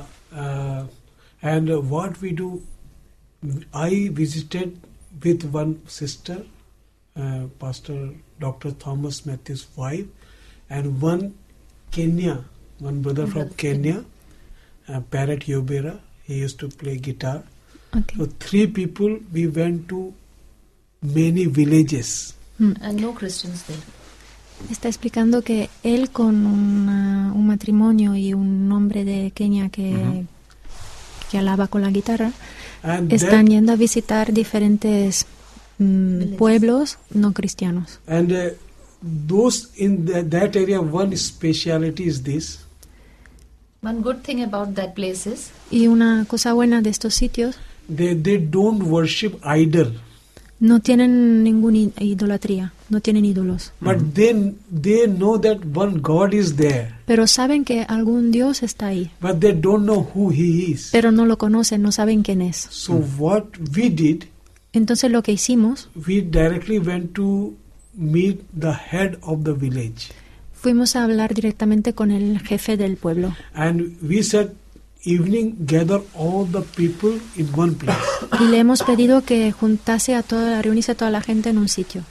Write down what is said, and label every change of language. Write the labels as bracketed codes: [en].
[en] And what we do, I visited with one sister, Pastor Dr. Thomas Matthew's wife, and one brother from Kenya, Parrot Yobera, he used to play guitar. Okay. So three people, we went to many villages. And no Christians there. [es] Está explicando que él con un matrimonio y un hombre de Kenia que alaba con la guitarra, [en] and [es] están yendo a visitar diferentes pueblos no cristianos. [en] And those in that area, one speciality is this. One good thing about that place is, [es] y una cosa buena de estos sitios, [en] they don't worship idol. [es] No tienen ninguna idolatría, no tienen ídolos. [en] But they know that one God is there. [es] Pero saben que algún Dios está ahí. [en] But they don't know who he is. [es] Pero no lo conocen, no saben quién es. [en] So what we did? [es] Entonces lo que hicimos, [en] we directly went to meet the head of the village. [es] Fuimos a hablar directamente con el jefe del pueblo. [en] And we said, evening, gather all the people in one place. [es] Y le hemos pedido que juntase a toda, reunirse a toda la gente en un sitio.